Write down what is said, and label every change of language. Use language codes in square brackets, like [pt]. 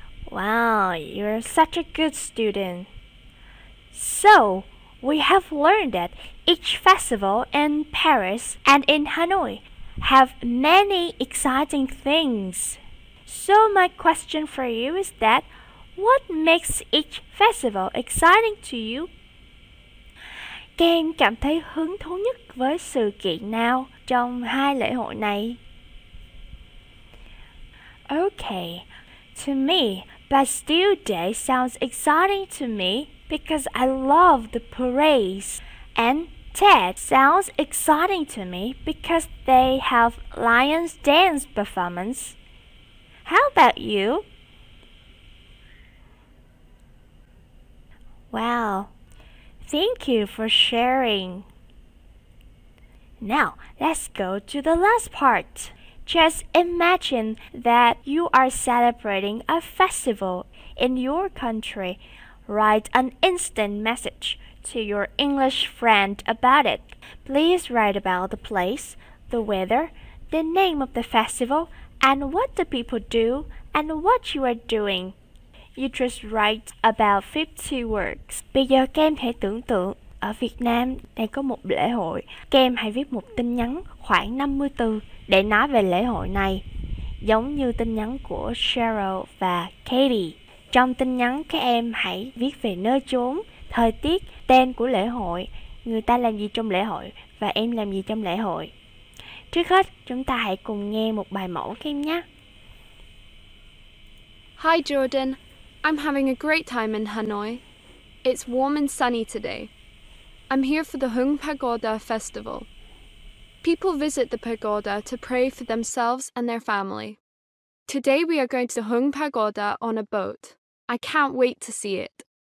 [en] Wow, you're such a good student. So, we have learned that each festival in Paris and in Hanoi have many exciting things. So my question for you is that, what makes each festival exciting to you? [vi] Kem cảm thấy hứng thú nhất với sự kiện nào trong hai lễ hội này? [en] Okay, to me, Bastille Day sounds exciting to me because I love the parades. And Tet sounds exciting to me because they have lions dance performance. How about you? Well, thank you for sharing. Now, let's go to the last part. Just imagine that you are celebrating a festival in your country. Write an instant message to your English friend about it. Please write about the place, the weather, the name of the festival, and what the people do and what you are doing. You just write about 50 words. [vi] Bây giờ các em hãy tưởng tượng ở Việt Nam đang có một lễ hội. Các em hãy viết một tin nhắn khoảng 50 từ để nói về lễ hội này, giống như tin nhắn của Cheryl và Katie. Trong tin nhắn các em hãy viết về nơi chốn, thời tiết, tên của lễ hội, người ta làm gì trong lễ hội và em làm gì trong lễ hội. Trước hết, chúng ta hãy cùng nghe một bài mẫu các em nhé. [en] Hi Jordan, I'm having a great time in Hanoi. It's warm and sunny today. I'm here for the Hường Pagoda Festival. People visit the pagoda to pray for themselves and their family. Today we are going to Hường Pagoda on a boat. I can't wait to see it.